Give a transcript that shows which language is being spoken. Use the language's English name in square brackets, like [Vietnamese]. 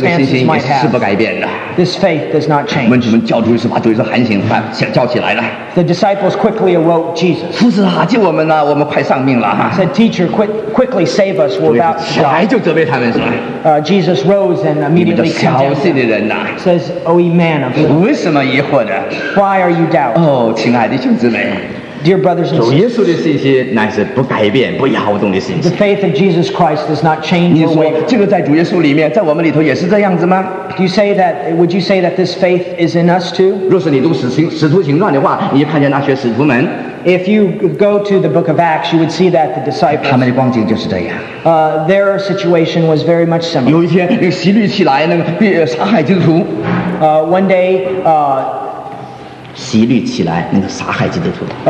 [Chinese] 这个信心也是不改变的。 [English] This faith does not change. [Chinese] 门徒们叫主耶稣，把主耶稣喊醒，叫起来了。 [English] The disciples quickly awoke Jesus. [Chinese] 夫子啊，救我们啊，我们快丧命了。 [English] Said teacher, quickly save us, we're about to die. [Chinese] 起来就责备他们说。 [English] Jesus rose and immediately condemned them. [Chinese] 你们都小信的人 [English] 呐。Says, O ye man of little faith. [Chinese] 为什么疑惑呢？ [English] Why are you doubting? [Chinese] 哦，亲爱的兄弟们。 [English] Dear brothers and sisters, [Chinese] 主耶稣的信心乃是不改变、不摇动的信心。 [English] The faith of Jesus Christ does not change. [Chinese] 你说这个在主耶稣里面，在我们里头也是这样子吗？ [English] Would you say that this faith is in us too? [Chinese] 若是你读使徒行传的话，你看见那些使徒们。 [English] If you go to the book of Acts, you would see that the disciples. [Chinese] 他们的光景就是这样。 [English] Their situation was very much similar. [Chinese] 有一天，那个洗礼起来，那个被杀害基督徒。 [English] One day, [Chinese] 洗律起来，那个杀害基督徒。